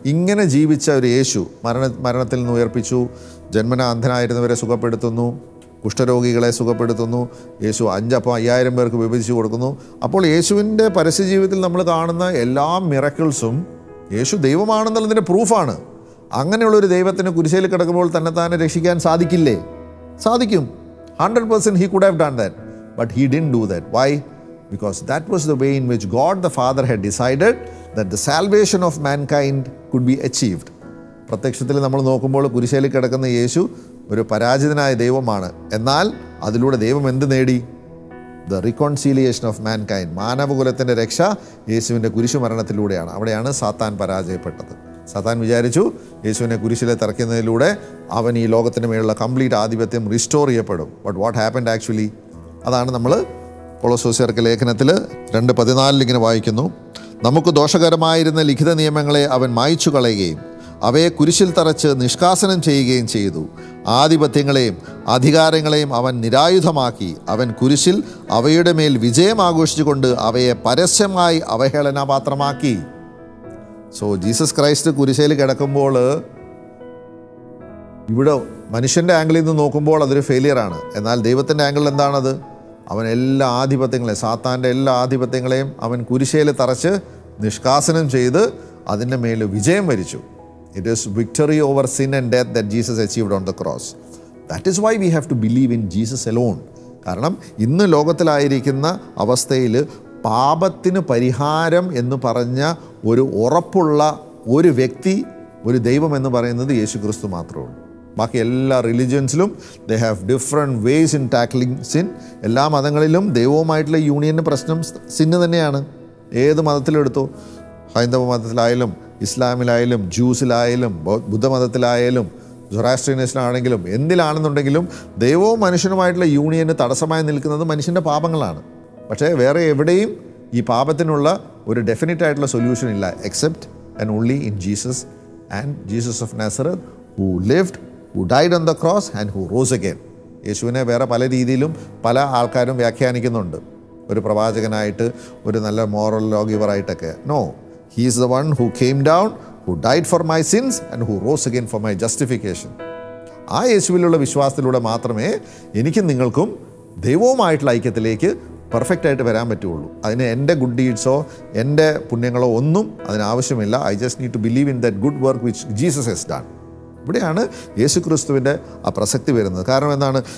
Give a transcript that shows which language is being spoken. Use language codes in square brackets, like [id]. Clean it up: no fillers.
[ml] ഇങ്ങനെ ജീവിച്ച ഒരു യേശു മരണത്തിൽ നിന്ന് ഉയർപ്പിച്ചു, ജന്മന അന്ധനായിരുന്നവരെ സുഖപ്പെടുത്തുന്നു, കുഷ്ഠരോഗികളെ സുഖപ്പെടുത്തുന്നു, യേശു 5,000 പേർക്ക് വിഭജിച്ചു കൊടുക്കുന്നു. അപ്പോൾ യേശുവിൻ്റെ പരസ്യ ജീവിതത്തിൽ നമ്മൾ കാണുന്ന എല്ലാ മിറക്കിൾസും യേശു ദൈവമാണെന്നുള്ളതിൻ്റെ പ്രൂഫാണ്. അങ്ങനെയുള്ളൊരു ദൈവത്തിന് കുരിശയിൽ കിടക്കുമ്പോൾ തന്നെ തന്നെ രക്ഷിക്കാൻ സാധിക്കില്ലേ? സാധിക്കും. [en] 100% he could have done that, but he didn't do that. Why? because that was the way in which God the Father had decided that the salvation of mankind could be achieved. [ml] പ്രത്യക്ഷത്തിൽ നമ്മൾ നോക്കുമ്പോൾ കുരിശയിൽ കിടക്കുന്ന യേശു ഒരു പരാജിതനായ ദൈവമാണ്. എന്നാൽ അതിലൂടെ ദൈവം എന്ത് നേടി? [en] The reconciliation of mankind. [ml] മാനവകുലത്തിൻ്റെ രക്ഷ യേശുവിൻ്റെ കുരിശു മരണത്തിലൂടെയാണ്. അവിടെയാണ് സാത്താൻ പരാജയപ്പെട്ടത്. സാത്താൻ വിചാരിച്ചു യേശുവിനെ കുരിശിലെ തറയ്ക്കുന്നതിലൂടെ അവൻ ഈ ലോകത്തിന് മേലുള്ള കംപ്ലീറ്റ് ആധിപത്യം റിസ്റ്റോർ ചെയ്യപ്പെടും. [en] But what happened actually? [ml] അതാണ് നമ്മൾ കൊളോസോസ്യർക്ക് ലേഖനത്തിൽ 2:14 ഇങ്ങനെ വായിക്കുന്നു: നമുക്ക് ദോഷകരമായിരുന്ന ലിഖിത നിയമങ്ങളെ അവൻ മായ്ച്ചു കളയുകയും അവയെ കുരിശിൽ തറച്ച് നിഷ്കാസനം ചെയ്യുകയും ചെയ്തു. ആധിപത്യങ്ങളെയും അധികാരങ്ങളെയും അവൻ നിരായുധമാക്കി. അവൻ കുരിശിൽ അവയുടെ മേൽ വിജയം ആഘോഷിച്ചുകൊണ്ട് അവയെ പരസ്യമായി അവഹേളനപാത്രമാക്കി. സോ ജീസസ് ക്രൈസ്റ്റ് കുരിശയിൽ കിടക്കുമ്പോൾ, ഇവിടെ മനുഷ്യൻ്റെ ആംഗിളിൽ നിന്ന് നോക്കുമ്പോൾ അതൊരു ഫെയിലിയറാണ്. എന്നാൽ ദൈവത്തിൻ്റെ ആംഗിളിൽ എന്താണത്? അവൻ എല്ലാ ആധിപത്യങ്ങളെയും, സാത്താൻ്റെ എല്ലാ ആധിപത്യങ്ങളെയും അവൻ കുരിശയിൽ തറച്ച് നിഷ്കാസനം ചെയ്ത് അതിൻ്റെ മേൽ വിജയം വരിച്ചു. [en] It is victory over sin and death that Jesus achieved on the cross. That is why we have to believe in Jesus alone. [ml] കാരണം ഇന്ന് ലോകത്തിലായിരിക്കുന്ന അവസ്ഥയിൽ പാപത്തിന് പരിഹാരം എന്ന് പറഞ്ഞ ഒരു ഉറപ്പുള്ള ഒരു വ്യക്തി, ഒരു ദൈവം എന്ന് പറയുന്നത് യേശു ക്രിസ്തു മാത്രമാണ്. ബാക്കി എല്ലാ റിലിജിയൻസിലും [en] they have different ways in tackling sin. [ml] എല്ലാ മതങ്ങളിലും ദൈവവുമായിട്ടുള്ള യൂണിയൻ്റെ പ്രശ്നം സിന് തന്നെയാണ്. ഏത് മതത്തിലെടുത്തു, ഹൈന്ദവ മതത്തിലായാലും ഇസ്ലാമിലായാലും ജൂസിലായാലും ബുദ്ധമതത്തിലായാലും സൊറാസ്ട്രിയനിസ്റ്റിലാണെങ്കിലും എന്തിലാണെന്നുണ്ടെങ്കിലും ദൈവവും മനുഷ്യനുമായിട്ടുള്ള യൂണിയന് തടസ്സമായി നിൽക്കുന്നത് മനുഷ്യൻ്റെ പാപങ്ങളാണ്. പക്ഷേ വേറെ എവിടെയും ഈ പാപത്തിനുള്ള ഒരു ഡെഫിനിറ്റ് ആയിട്ടുള്ള സൊല്യൂഷൻ ഇല്ല, [en] Except and only in Jesus and Jesus of Nazareth, who lived, who died on the cross and who rose again. [ml] യേശുവിനെ വേറെ പല രീതിയിലും പല ആൾക്കാരും വ്യാഖ്യാനിക്കുന്നുണ്ട്, ഒരു പ്രവാചകനായിട്ട്, ഒരു നല്ല moral ലോഗിവറായിട്ടൊക്കെ. [en] No, He is the one who came down, who died for my sins, and who rose again for my justification. [ml] ആ യേശുവിലുള്ള വിശ്വാസത്തിലൂടെ മാത്രമേ എനിക്കും നിങ്ങൾക്കും ദൈവവുമായിട്ടുള്ള ഐക്യത്തിലേക്ക് പെർഫെക്റ്റായിട്ട് വരാൻ പറ്റുള്ളൂ. അതിന് എൻ്റെ ഗുഡ് ഡീഡ്സോ എൻ്റെ പുണ്യങ്ങളോ ഒന്നും അതിനാവശ്യമില്ല. [en] I just need to believe in that good work which Jesus has done. [ml] ഇവിടെയാണ് യേശു ക്രിസ്തുവിൻ്റെ ആ പ്രസക്തി വരുന്നത്. കാരണം എന്താണ്?